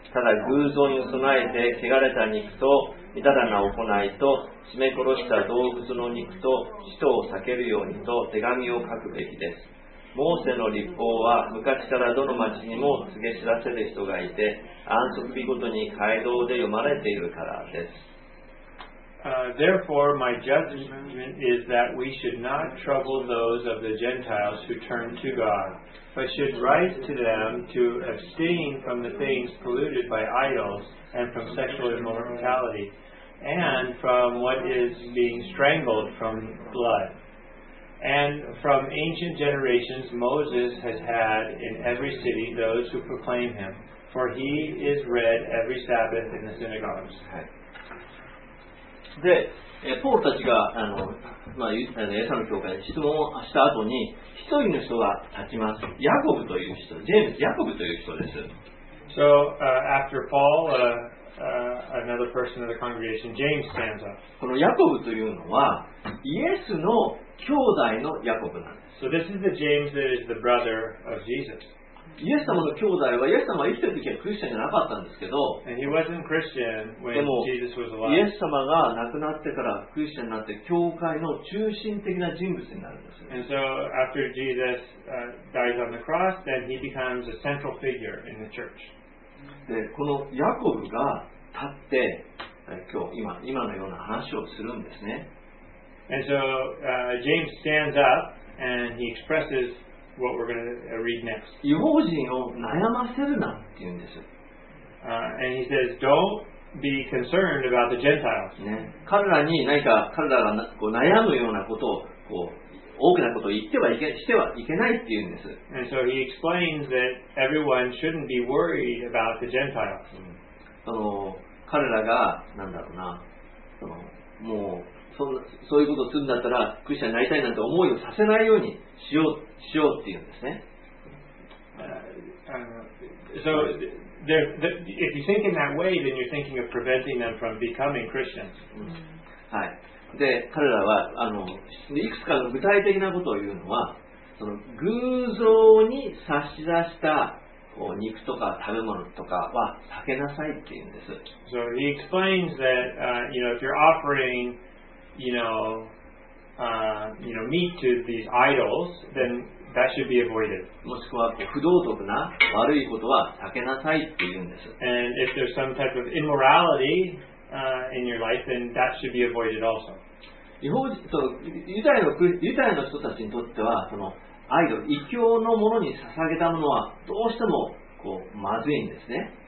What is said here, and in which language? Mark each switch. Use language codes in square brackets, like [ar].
[ja] ただ偶像に備えて汚れた肉と至らな行いと締め殺した動物の肉と使徒を避けるようにと手紙を書くべきです。モーセの律法は昔からどの町にも告げ知らせる人がいて、安息日ごとに街道で読まれているからです。 [en] Therefore, my judgment is that we should not trouble those of the Gentiles who turn to God, but should write to them to abstain from the things polluted by idols and from sexual immorality and from what is being strangled from blood. And from ancient generations, Moses has had in every city those who proclaim him, for he is read every Sabbath in the synagogues. [ja] で、ポールたちが、まあ、エサの教会で質問をした後に、一人の人が立ちます。ヤコブという人、ジェームズ・ヤコブという人です。 [en] So, after Paul, another person of the congregation, James stands up. [ja] このヤコブというのは、イエスの兄弟のヤコブなんです。 [en] So, this is the James that is the brother of Jesus. [ja] イエス様の兄弟はイエス様は生きてる時はクリスチャンじゃなかったんですけど、でもイエス様が亡くなってからクリスチャンになって教会の中心的な人物になるんです。 [en] And so after Jesus dies on the cross, then he becomes a central figure in the church. [ja] で、このヤコブが立って今日今のような話をするんですね。 [en] And so James stands up and he expresses. What we're going to read next. [ja] 異邦人を悩ませるなって言うんです。 [en] And he says, "Don't be concerned about the Gentiles." [ja] ね、彼らに何か彼らがこう悩むようなことをこう大きなことを言ってはいけしてはいけないって言うんです。 [en] And so he explains that everyone shouldn't be worried about the Gentiles.、うん、 [ja] その彼らがなんだろうな、そのもう。そういうことをするんだったらクリスチャンになりたいなんて思いをさせないようにしようっていうんですね。 [en] So, if you think in that way, then you're thinking of preventing them from becoming Christians.、うん、 [ja] はい。で、彼らはいくつかの具体的なことを言うのは、その偶像に差し出した肉とか食べ物とかは避けなさいっていうんです。 [en] So he explains that, you know, if you're offeringYou know, meat to these idols, then that should be avoided. [ja] もしくは不道徳な悪いことは避けなさいって言うんです。 [en] And if there's some type of immorality, in your life, then that should be avoided also. [ja] ユダヤの人たちにとっては、そのアイドル、異教のものに捧げたものはどうしてもこうまずいんですね。